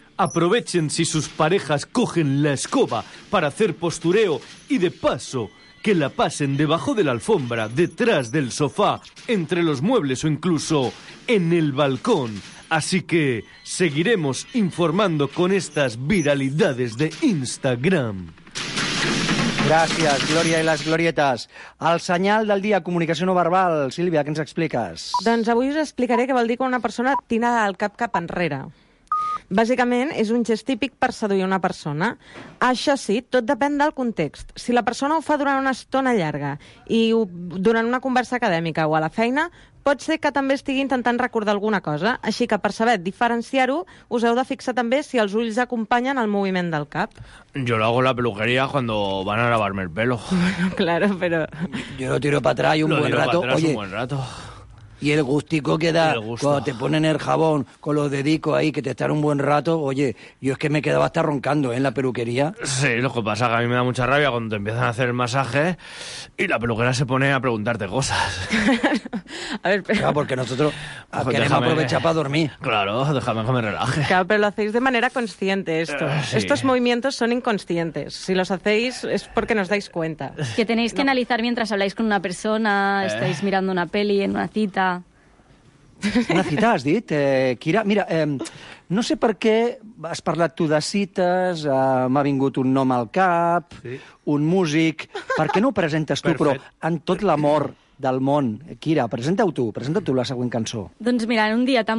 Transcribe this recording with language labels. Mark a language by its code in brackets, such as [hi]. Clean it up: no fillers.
[es] Aprovechen si sus parejas cogen la escoba para hacer postureo y de paso que la pasen debajo de la alfombra, detrás del sofá, entre los muebles o incluso en el balcón. Así que seguiremos informando con estas viralidades de Instagram. [ca] Gràcies, Glòria i les Glorietes. El senyal del dia, comunicació no verbal. Sílvia, què ens expliques? Doncs avui us explicaré què vol dir quan una persona tira el cap cap enrere. Bàsicament, és un gest típic per seduir una persona. Això sí, tot depèn del context. Si la persona ho fa durant una estona llarga i durant una conversa acadèmica o a la feina, pot ser que també estigui intentant recordar alguna cosa. Així que, per saber diferenciar-ho, us heu de fixar també si els ulls acompanyen el moviment del cap. [es] Yo lo hago en la peluquería cuando van a lavarme el pelo. Bueno, claro, pero... Yo lo tiro para atrás y un buen rato. Oye, un buen rato. Y el gustico que da cuando te ponen el jabón con los dedicos ahí, que te están un buen rato. Oye, yo es que me quedaba hasta roncando, ¿eh?, en la peluquería. Sí, lo que pasa es que a mí me da mucha rabia cuando te empiezan a hacer el masaje y la peluquera se pone a preguntarte cosas. A ver, pero... Claro, porque nosotros queremos aprovechar para dormir. Claro, déjame que me relaje. Claro, pero lo hacéis de manera consciente esto. Sí. Estos movimientos son inconscientes. Si los hacéis es porque nos dais cuenta. Que tenéis que analizar mientras habláis con una persona, estáis mirando una peli en una cita. [ca] Una cita, has dit, Kira? Mira, no sé per què has parlat tu de cites, m'ha vingut un nom al cap, sí, un músic... Per què no ho presentes tu? Perfect. Però en tot l'amor del món, Kira, presenta-ho tu la següent cançó. Doncs mira, en un dia tan